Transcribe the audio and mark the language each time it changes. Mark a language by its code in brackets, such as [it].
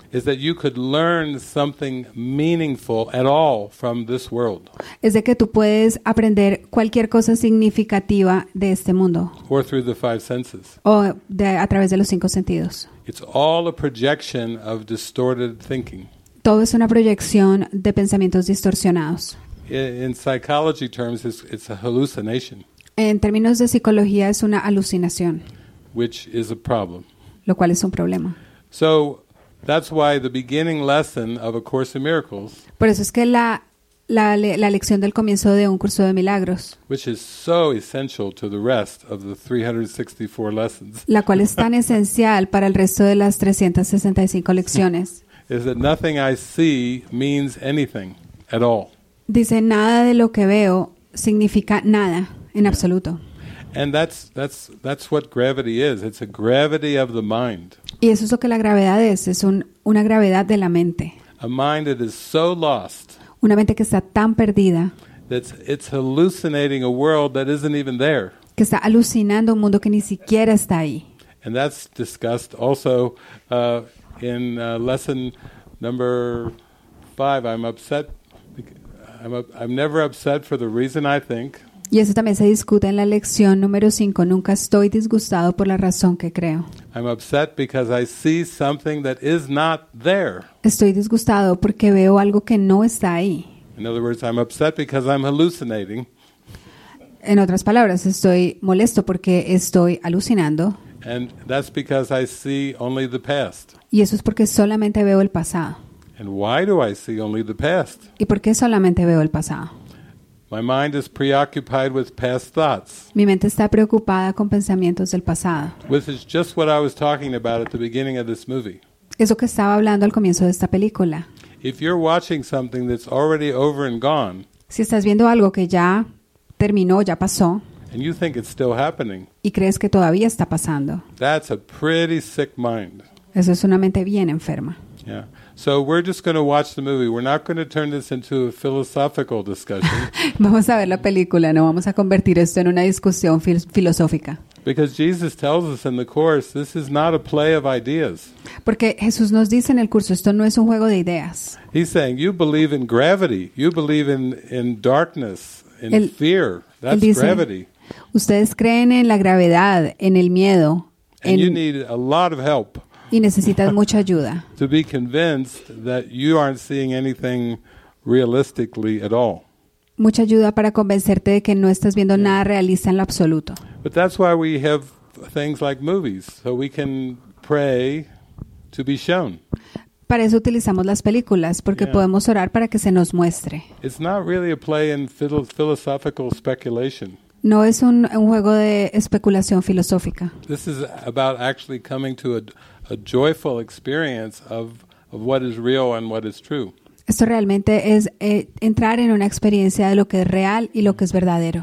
[en] Is that you could learn something meaningful at all from this world. [es] Es de que tú puedes aprender cualquier cosa significativa de este mundo. [en] Or through the five senses. [es] O a través de los cinco sentidos. [en] It's all a projection of distorted thinking. [es] Todo es una proyección de pensamientos distorsionados. [en] In psychology terms, it's a hallucination. [es] En términos de psicología, es una alucinación. [en] Which is a problem. [es] Lo cual es un problema. [en] So that's why the beginning lesson of A Course in Miracles. [es] Por eso es que la lección del comienzo de un curso de milagros. [en] Which is so essential to the rest of the 364 lessons. [es] La cual es tan esencial para el resto de las 365 lecciones. [en] Is that nothing I see means anything at all. [es] Dice, nada de lo que veo significa nada en absoluto. [en] And that's what gravity is. It's a gravity of the mind. [es] Y eso es lo que la gravedad es una gravedad de la mente. [en] A mind that is so lost. [es] Una mente que está tan perdida. [en] It's hallucinating a world that isn't even there. [es] Que está alucinando un mundo que ni siquiera está ahí. [en] And that's discussed also lesson number 5. I'm never upset for the reason I think. [es] Y eso también se discute en la lección número 5. Nunca estoy disgustado por la razón que creo. [en] I'm upset because I see something that is not there. [es] Estoy disgustado porque veo algo que no está ahí. [en] In other words, I'm upset because I'm hallucinating. [es] En otras palabras, estoy molesto porque estoy alucinando. [en] And that's because I see only the past. [es] Y eso es porque solamente veo el pasado. [en] And why do I see only the past? [es] ¿Y por qué solamente veo el pasado? [en] My mind is preoccupied with past thoughts. [es] Mi mente está preocupada con pensamientos del pasado. [en] Which is just what I was talking about at the beginning of this movie. [es] Eso que estaba hablando al comienzo de esta película. [en] If you're watching something that's already over and gone. [es] Si estás viendo algo que ya terminó, ya pasó. [en] And you think it's still happening. [es] Y crees que todavía está pasando. [en] That's a pretty sick mind. [es] Eso es una mente bien enferma. [en] Yeah. So we're just going to watch the movie. We're not going to turn this into a philosophical discussion. [es] Vamos a ver la película, no vamos a convertir esto en una discusión filosófica. [en] Because Jesus tells us in the course, this is not a play of ideas. [es] Porque Jesús nos dice en el curso, esto no es un juego de ideas. [en] He's saying you believe in gravity, you believe in darkness, in fear. That's [es] dice, [en] gravity. [es] Ustedes creen en la gravedad, en el miedo. [en] And you need a lot of help. [es] Y necesitas mucha ayuda. [en] To be convinced that you aren't seeing anything realistically at all. [es] Mucha ayuda para convencerte de que no estás viendo nada realista en lo absoluto. [en] But that's why we have things like movies, so we can pray to be shown. [es] Para eso utilizamos las películas, porque podemos orar para que se nos muestre. [en] It's not really a play in philosophical speculation. [es] No es un juego de especulación filosófica. [en] This is about actually coming to a joyful experience of what is real and what is true. [es] Esto realmente es entrar en una experiencia de lo que es real y lo que es verdadero.